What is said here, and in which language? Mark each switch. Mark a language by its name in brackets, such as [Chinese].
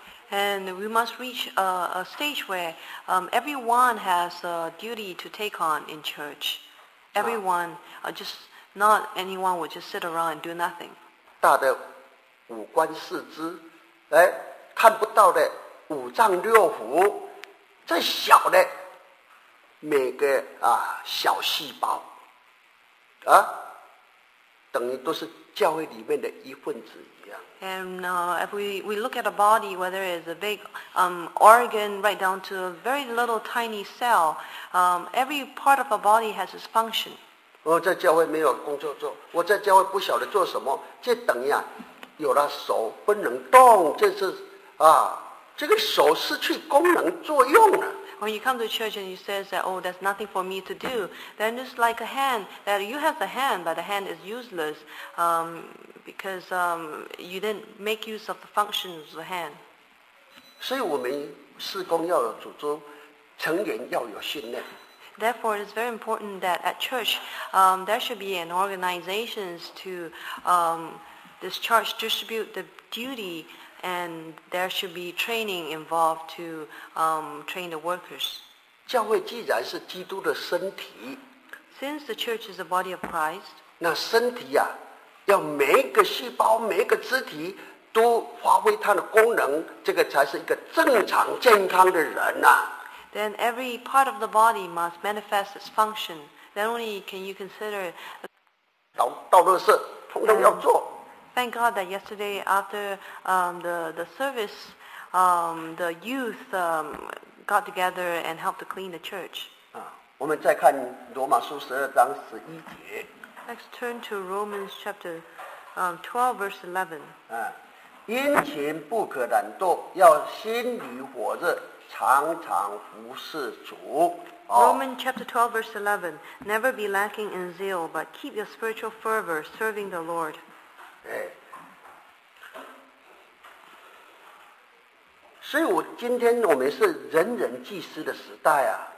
[English] And we must reach a stage where everyone has a duty to take on in church. Everyone justNot anyone would just sit around and do nothing. [Chinese] 大的五官四肢，哎，看不到的五脏六腑，再小的每个小细胞，等于都是教会里面的一份子一样。 [English] And if we look at a body, whether it's a big organ right down to a very little tiny cell, every part of a body has its function. [Chinese] 我在教会没有工作做，我在教会不晓得做什么，这等于啊，有了手不能动，这是啊，这个手失去功能作用了。 [English] When you come to church and you say that, oh, there's nothing for me to do, then it's like a hand, that you have the hand, but the hand is useless because you didn't make use of the functions of the hand. [Chinese] 所以我们事工要有组织，成员要有训练。 [English] Therefore, it's very important that at church, there should be an organization to discharge, distribute the duty. And there should be training involved to train the workers. [Chinese] 教会既然是基督的身体， [English] Since the church is the body of Christ, [Chinese] 那身体啊，要每一个细胞、每一个肢体都发挥它的功能，这个才是一个正常健康的人啊。 [English] Then every part of the body must manifest its function. Then only can you consider. [Chinese] 到乐事，通通要做。 [English] Thank God that yesterday after the service, the youth got together and helped to clean the church. [Chinese] 我们再看罗马书十二章十一节。 [English] Let's turn to Romans chapter 12, verse 11. [Chinese] 殷勤不可懒惰，要心里火热，常常服侍主。 [English] Romans chapter 12, verse 11. Never be lacking in zeal, but keep your spiritual fervor serving the Lord. [Chinese] 所以我今天我们是人人祭司的时代啊。